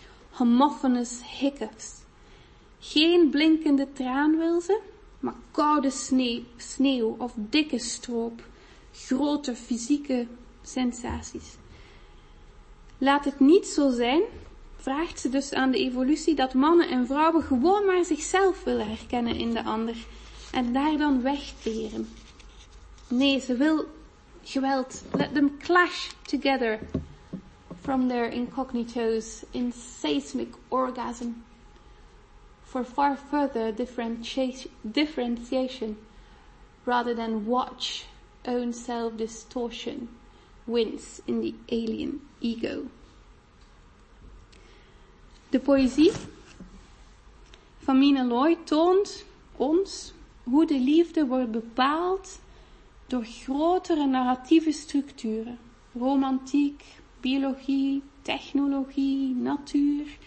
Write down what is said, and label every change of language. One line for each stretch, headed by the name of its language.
English: Homophonous hiccups.
Dutch: Geen blinkende traan wil ze, maar koude sneeuw of dikke stroop, grote fysieke sensaties. Laat het niet zo zijn, vraagt ze dus aan de evolutie, dat mannen en vrouwen gewoon maar zichzelf willen herkennen in de ander en daar dan wegteren. Nee, ze wil geweld.
English: Let them clash together from their incognitos in seismic orgasm. For far further differentiation rather than watch own self-distortion wins in the alien ego.
Dutch: De poëzie van Mina Loy toont ons hoe de liefde wordt bepaald door grotere narratieve structuren. Romantiek, biologie, technologie, natuur.